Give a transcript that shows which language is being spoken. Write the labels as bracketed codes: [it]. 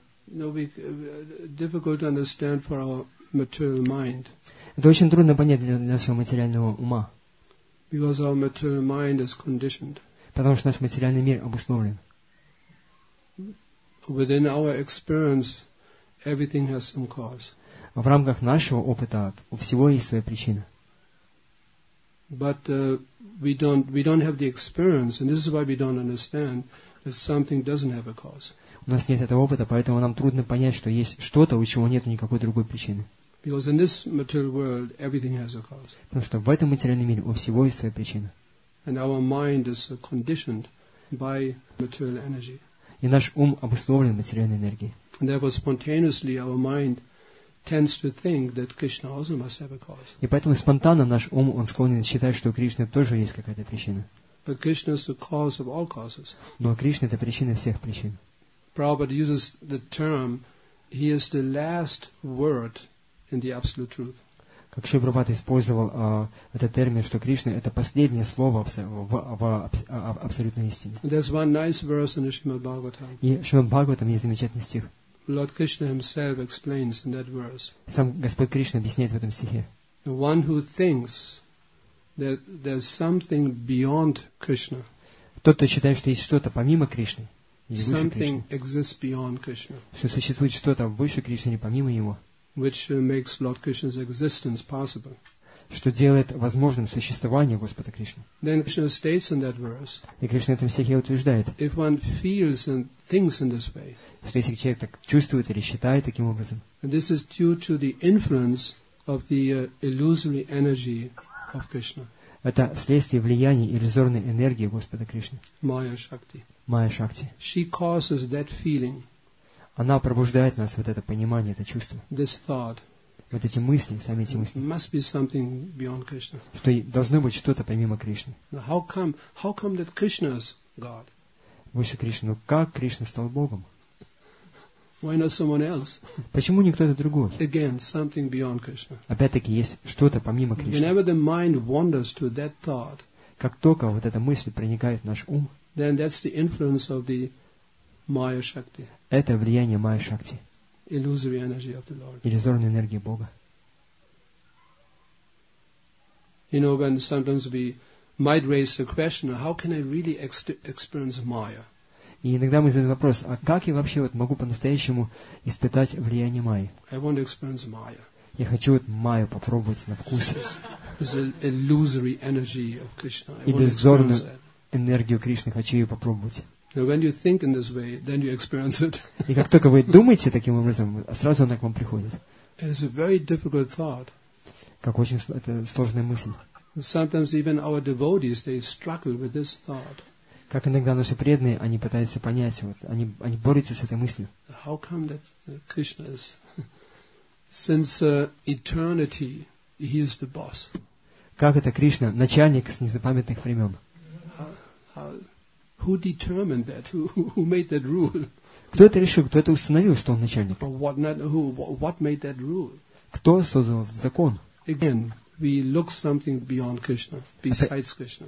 [en] No, difficult to understand for our material mind. [ru] Это очень трудно понять для нашего материального ума. [en] Because our material mind is conditioned. [ru] Потому что наш материальный мир обусловлен. [en] Within our experience, everything has some cause. [ru] В рамках нашего опыта у всего есть своя причина. [en] But we don't have the experience, and this is why we don't understand that something doesn't have a cause. [ru] У нас нет этого опыта, поэтому нам трудно понять, что есть что-то, у чего нет никакой другой причины. [en] Because in this material world, everything has a cause. [ru] Потому что в этом материальном мире у всего есть своя причина. [en] And our mind is conditioned by material energy. [ru] И наш ум обусловлен материальной энергией. [en] And therefore, spontaneously, our mind tends to think that Krishna also must have a cause. [ru] И поэтому спонтанно наш ум он склонен считать, что у Кришны тоже есть какая-то причина. [en] But Krishna is the cause of all causes. [ru] Но Кришна это причина всех причин. [en] Prabhupada uses the term He is the last word in the absolute truth. [ru] Как Шри Прабхупада использовал этот термин, что Кришна это последнее слово в абсолютной истине. [en] There's one nice verse in the Shrimad Bhagavatam. [ru] И в Шримад Бхагаватам есть замечательный стих. [en] Lord Krishna himself explains in that verse. [ru] Сам Господь Кришна объясняет в этом стихе. [en] The one who thinks that there's something beyond Krishna. [ru] Тот, кто считает, что есть что-то помимо Кришны. [en] Something exists beyond Krishna. [ru] Что существует что-то выше Кришны или помимо Его. [en] Which makes Lord Krishna's existence possible. [ru] Что делает возможным существование Господа Кришны. [en] Then Krishna states in that verse. [ru] И Кришна в этом стихе утверждает. [en] If one feels and thinks in this way. [ru] Что если человек так чувствует или считает таким образом. [en] This is due to the influence of the illusory energy of Krishna. [ru] Это вследствие влияния иллюзорной энергии Господа Кришны. Майя Шакти. Майя Шакти. [en] She causes that feeling. [ru] Она пробуждает в нас вот это понимание, это чувство. [en] This thought. [ru] Вот эти мысли, сами эти мысли. [en] Must be something beyond Krishna. [ru] Что должно быть что-то помимо Кришны. [en] Now how come that Krishna is God? [ru] Выше Кришны. Ну как Кришна стал Богом? [en] Why not someone else? [ru] Почему не кто-то другой? [en] Again, something beyond Krishna. [ru] Опять-таки есть что-то помимо Кришны. [en] Whenever the mind wanders to that thought, [ru] как только вот эта мысль проникает в наш ум, [en] then that's the influence of the Maya Shakti. [ru] Это влияние Майя Шакти. [en] Illusory energy of the Lord. [ru] Иллюзорной энергии Бога. [en] You know, when sometimes we might raise the question, how can I really experience Maya? [ru] И иногда мы задаем вопрос, а как я вообще вот могу по-настоящему испытать влияние Майи? [en] I want to experience Maya. [ru] Я хочу вот Майю попробовать на вкус. [en] Illusory energy of Krishna. [ru] Иллюзорную энергию Кришны хочу ее попробовать. [en] Now, when you think in this way, then you experience it. [ru] И как только вы думаете таким образом, сразу она к вам приходит. [en] It is a very difficult thought. [ru] Как очень это сложная мысль. [en] Sometimes even our devotees, they struggle with this thought. [ru] Как иногда наши преданные, они пытаются понять, вот, они борются с этой мыслью. [en] How come that Krishna is, since eternity, he is the boss? [ru] Как это Кришна, начальник с незапамятных времен? [en] Who determined that? Who made that rule? [ru] Кто это решил? Кто это установил, что он начальник? [en] What made that rule? [ru] Кто создал закон? [en] Again. We look something beyond Krishna, besides Krishna.